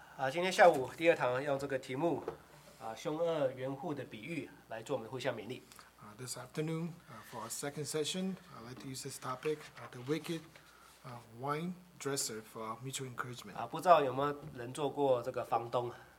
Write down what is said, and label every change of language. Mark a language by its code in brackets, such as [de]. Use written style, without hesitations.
[zh] 今天下午第二堂用这个题目，凶恶园户的比喻来做我们互相勉励。 [en] This afternoon, for our second session, I'd like to use this topic, the wicked wine dresser for our mutual encouragement. [zh] 不知道有没有人做过这个房东？